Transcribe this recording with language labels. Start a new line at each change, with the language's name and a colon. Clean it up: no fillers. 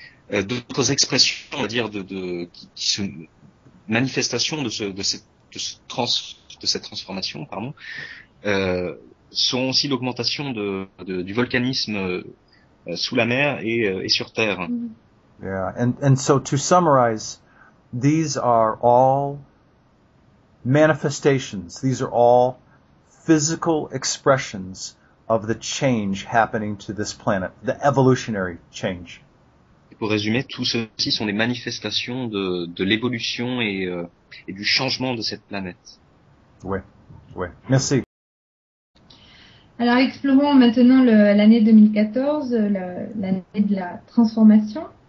French: D'autres expressions, on va dire qui se manifestation de cette transformation, pardon, sont aussi l'augmentation du volcanisme sous la mer et sur terre.
English: Yeah, and so to summarize, these are all manifestations, these are all physical expressions of the change happening to this planet, the evolutionary change.
French: Et pour résumer, tout ceci sont des manifestations de l'évolution et du changement de cette planète. Oui, oui. Merci. Alors, explorons maintenant l'année 2014, l'année de la transformation.